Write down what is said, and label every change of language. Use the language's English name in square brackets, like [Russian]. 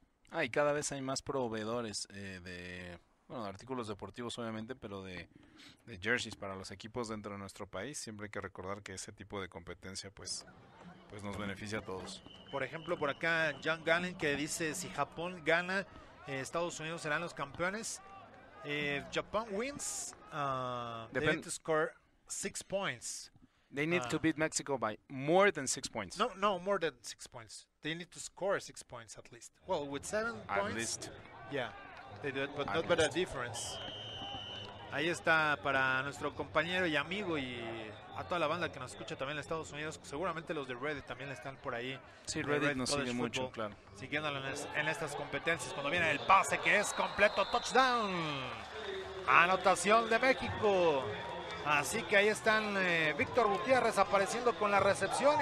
[Spanish] Ah, y cada vez hay más proveedores de artículos deportivos, obviamente, pero de jerseys para los equipos dentro de nuestro país. Siempre hay que recordar que ese tipo de competencia pues nos beneficia a todos. Por ejemplo, por acá, John Gallen, que dice, si Japón gana, Estados Unidos serán los campeones. [English] If Japan wins, they need to score 6 points. They need to beat Mexico by more than 6 points. No, more than 6 points. They need to score 6 points at least. Well, with 7 points. At least. Yeah, they do it, but at not least. By the difference. [Spanish] Ahí está para nuestro compañero y amigo y a toda la banda que nos escucha también en Estados Unidos. Seguramente los de Reddit también están por ahí. Sí, Reddit nos sigue mucho, claro. Siguiéndolo en estas competencias. Cuando viene el pase que es completo, touchdown. Anotación de México. Así que ahí están Víctor Gutiérrez apareciendo con la recepción.